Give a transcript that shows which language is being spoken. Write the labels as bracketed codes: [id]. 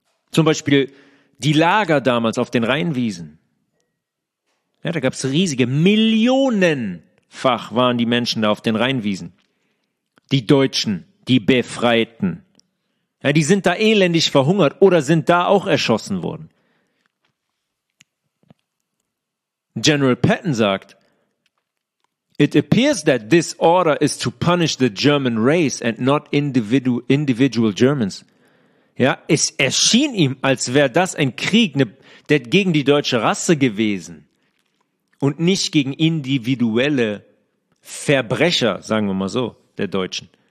[de] Zum Beispiel die Lager damals auf den Rheinwiesen. Ja, da gab es riesige, millionenfach waren die Menschen da auf den Rheinwiesen. Die Deutschen, die Befreiten. Ja, die sind da elendig verhungert oder sind da auch erschossen worden. General Patton sagt, [en] it appears that this order is to punish the German race and not individual Germans. [de] Ja, es erschien ihm, als wäre das ein Krieg, der gegen die deutsche Rasse gewesen und nicht gegen individuelle Verbrecher, sagen wir mal so, der Deutschen.